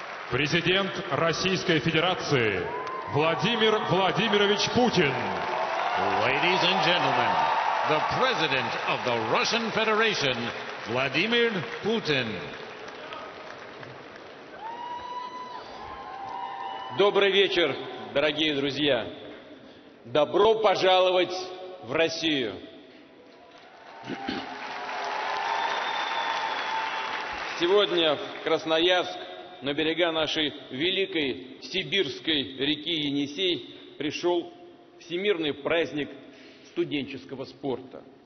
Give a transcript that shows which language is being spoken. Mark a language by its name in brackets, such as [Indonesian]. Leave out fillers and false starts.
[Russian] Президент Российской Федерации Владимир Владимирович Путин. [English] Ladies and gentlemen, the President of the Russian Federation, Vladimir Putin. [Russian] Добрый вечер, дорогие друзья. Добро пожаловать в Россию. Сегодня в Красноярск, на берега нашей великой сибирской реки Енисей, пришел всемирный праздник студенческого спорта.